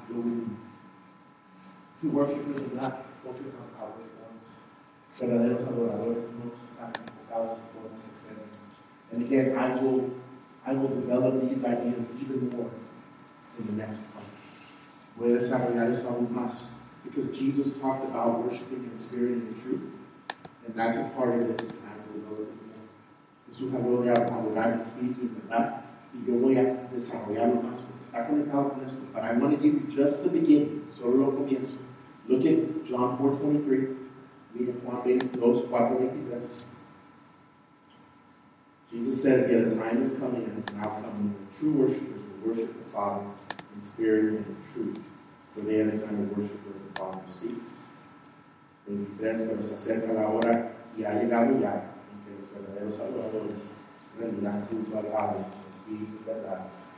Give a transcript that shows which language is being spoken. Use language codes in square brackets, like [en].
[en] true worshipers are not focused on outward forms. [es] Verdaderos adoradores no están enfocados en cosas externas. [en] And again, I will develop these ideas even more in the next part. [es] Voy a desarrollar esto aún más. [en] Because Jesus talked about worshiping in spirit and in truth. And that's a part of this, and I will develop it more. [es] Jesús habló de adorar en espíritu y verdad. Y yo voy a desarrollarlo más. [en] But I want to give you just the beginning. [es] Solo lo comienzo. [en] Look at John 4:23. Read it Juan 2:4:23. Jesus says, yet a time is coming and has now come when the true worshipers will worship the Father in spirit and in truth. For they are the kind of worshiper the Father seeks. [es] 23, pero se acerca la hora y ha llegado ya en que los verdaderos adoradores rendirán culto al Padre en espíritu y verdad.